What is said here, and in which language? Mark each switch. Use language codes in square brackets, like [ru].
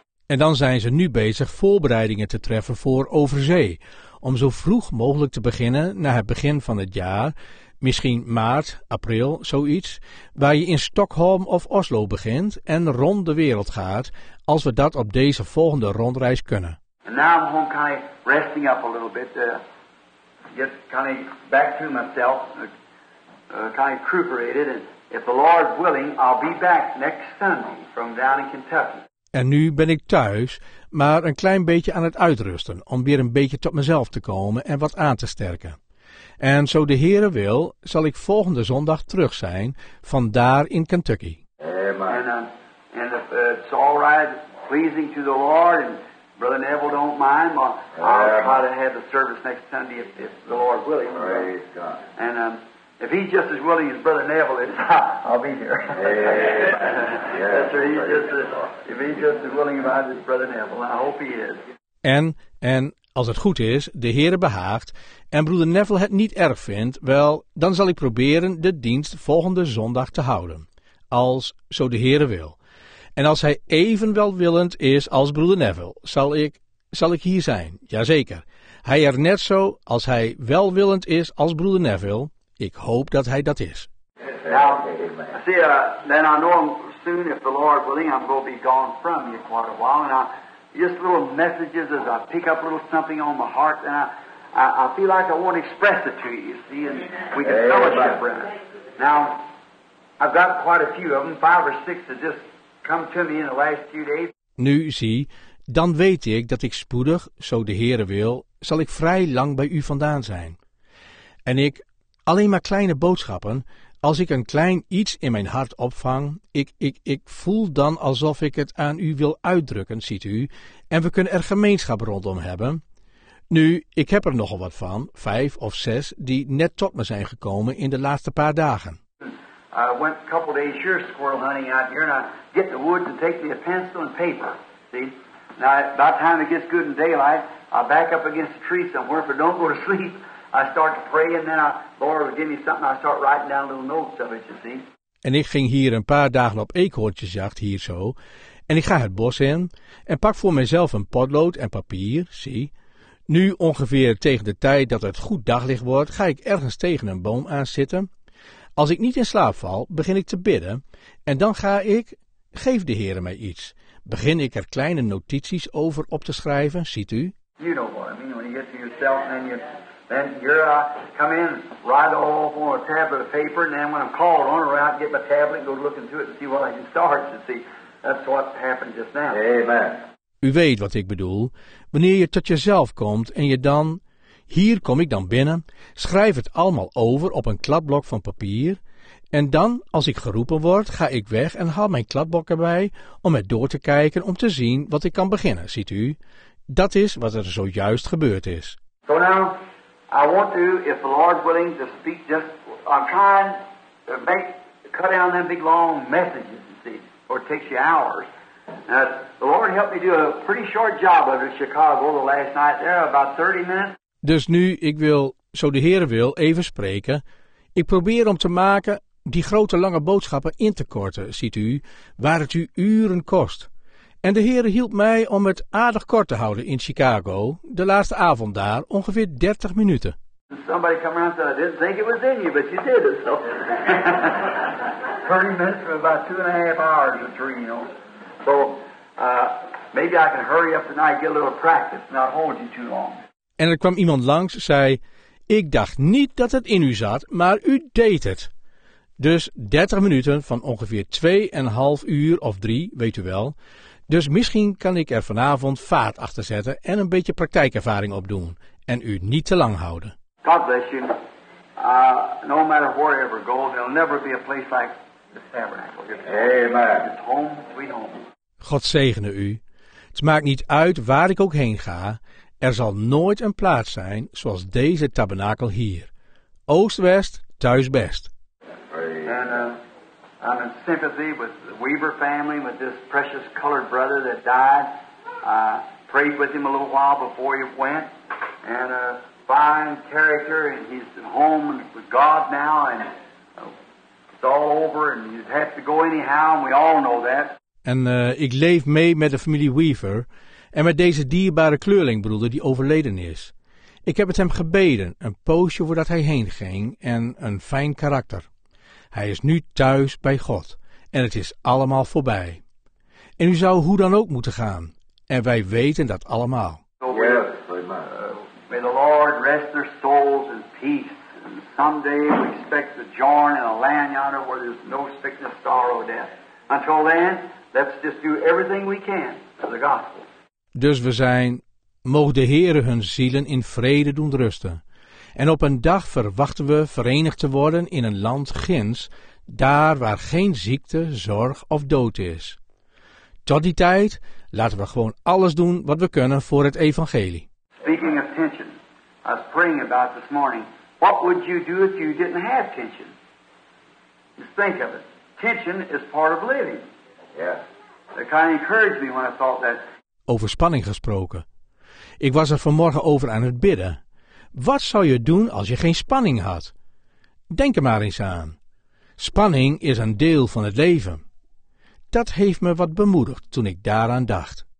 [nl] En dan zijn ze nu bezig voorbereidingen te treffen voor overzee. Om zo vroeg mogelijk te beginnen na het begin van het jaar, misschien maart, april, zoiets, waar je in Stockholm of Oslo begint en rond de wereld gaat, als we dat op deze volgende rondreis kunnen. [en] And now I'm home kind of resting up a little bit, get kind of back to myself, kind of recuperated, and if the Lord willing, I'll be back next Sunday from down in Kentucky. [nl] En nu ben ik thuis, maar een klein beetje aan het uitrusten, om weer een beetje tot mezelf te komen en wat aan te sterken. En zo de Heere wil, zal ik volgende zondag terug zijn, vandaar in Kentucky. Amen. [en] And if it's all right, pleasing to the Lord, and Brother Neville don't mind, I'll try to have the service next Sunday if the Lord willing. Praise God. And if he's just as willing as Brother Neville is, I'll be here. Yes, sir, if he's just as willing about his Brother Neville, I hope he is. [nl] En als het goed is, de Heere behaagt, en Broeder Neville het niet erg vindt, wel, dan zal ik proberen de dienst volgende zondag te houden. Als zo de Heere wil. En als hij even welwillend is als Broeder Neville, zal ik, zal ik hier zijn, jazeker. Hij er net zo als hij welwillend is als broeder Neville. Ik hoop dat hij dat is. [en] Now, see, then I know soon, if the Lord willing, I'm going to be gone from you quite a while. And I, just little messages as I pick up a little something on my heart, and I feel like I want to express it to you, you see, and we can fellowship around it. Now, I've got quite a few of them, five or six that just come to me in the last few days. [nl] Nu, zie, dan weet ik dat ik spoedig, zo de Heere wil, zal ik vrij lang bij u vandaan zijn. En ik, alleen maar kleine boodschappen, als ik een klein iets in mijn hart opvang, ik voel dan alsof ik het aan u wil uitdrukken, ziet u, en we kunnen er gemeenschap rondom hebben. Nu, ik heb er nogal wat van, vijf of zes, die net tot me zijn gekomen in de laatste paar dagen. [en] I went a couple days here squirrel hunting out here, and I get the wood and take me a pencil and paper. See? Now, by the time it gets good in daylight, I back up against a tree somewhere. If I don't go to sleep, I start to pray, and then Lord will give me something. I start writing down little notes of it, you see. [nl] En ik ging hier een paar dagen op eekhoortjesjacht hier zo, en ik ga het bos in en pak voor mezelf een potlood en papier, zie. Nu ongeveer tegen de tijd dat het goed daglicht wordt, ga ik ergens tegen een boom aan zitten. Als ik niet in slaap val, begin ik te bidden en dan ga ik, geef de Heere mij iets, begin ik er kleine notities over op te schrijven, ziet u? [en] You know what I mean, when you get to yourself and then you're, come in, write all on a tablet of paper, and then when I'm called on, I'll get my tablet and go look into it and see what I can start, you see, that's what happened just now. Amen. [nl] U weet wat ik bedoel, wanneer je tot jezelf komt en je dan... Hier kom ik dan binnen, schrijf het allemaal over op een kladblok van papier en dan, als ik geroepen word, ga ik weg en haal mijn kladblok erbij om het door te kijken om te zien wat ik kan beginnen, ziet u? Dat is wat er zojuist gebeurd is. [en] So now, I want to, if the Lord willing, to speak just, I'm trying to make, cut down them big long messages, you see, or it takes you hours. Now, the Lord helped me do a pretty short job of it in Chicago the last night there, about 30 minutes. [nl] Dus nu, ik wil, zo de Heere wil, even spreken. Ik probeer om te maken die grote lange boodschappen in te korten, ziet u, waar het u uren kost. En de Heere hielp mij om het aardig kort te houden in Chicago, de laatste avond daar, ongeveer 30 minuten. [en] Somebody come around and said, I didn't think it was in you, but you did it, so. 30 minutes for about 2.5 hours or three, you know. So, maybe I can hurry up tonight, get a little practice, not hold you too long. [nl] En er kwam iemand langs, zei, ik dacht niet dat het in u zat, maar u deed het. Dus 30 minuten van ongeveer 2.5 uur of 3, weet u wel. Dus misschien kan ik er vanavond vaart achter zetten en een beetje praktijkervaring opdoen. En u niet te lang houden. [en] God bless you. No matter where you ever go, there'll never be a place like the tabernacle. Amen. It's home, sweet home. [nl] God zegene u. Het maakt niet uit waar ik ook heen ga... Er zal nooit een plaats zijn zoals deze tabernakel hier. Oost-west, thuis best. [en] And I'm in sympathy with the Weaver family, with this precious colored brother that died. Prayed with him a little while before he went. And a fine character, and he's at home with God now, and it's all over, and he'd have to go anyhow, and we all know that. [nl] En ik leef mee met de familie Weaver... En met deze dierbare kleurlingbroeder die overleden is. Ik heb het hem gebeden, een poosje voordat hij heen ging en een fijn karakter. Hij is nu thuis bij God en het is allemaal voorbij. En u zou hoe dan ook moeten gaan. En wij weten dat allemaal. [en] Yes, may the Lord rest their souls in peace. And someday we expect to join in a land yonder where there's no sickness, sorrow, death. Until then, let's just do everything we can for the gospel. [nl] Dus we zijn, mogen de Heere hun zielen in vrede doen rusten. En op een dag verwachten we verenigd te worden in een land ginds, daar waar geen ziekte, zorg of dood is. Tot die tijd laten we gewoon alles doen wat we kunnen voor het evangelie. [en] Speaking of tension, I was praying about this morning. What would you do if you didn't have tension? Just think of it. Tension is part of living. Yeah. It kind of encouraged me when I thought that. [nl] Over spanning gesproken. Ik was er vanmorgen over aan het bidden. Wat zou je doen als je geen spanning had? Denk er maar eens aan. Spanning is een deel van het leven. Dat heeft me wat bemoedigd toen ik daaraan dacht.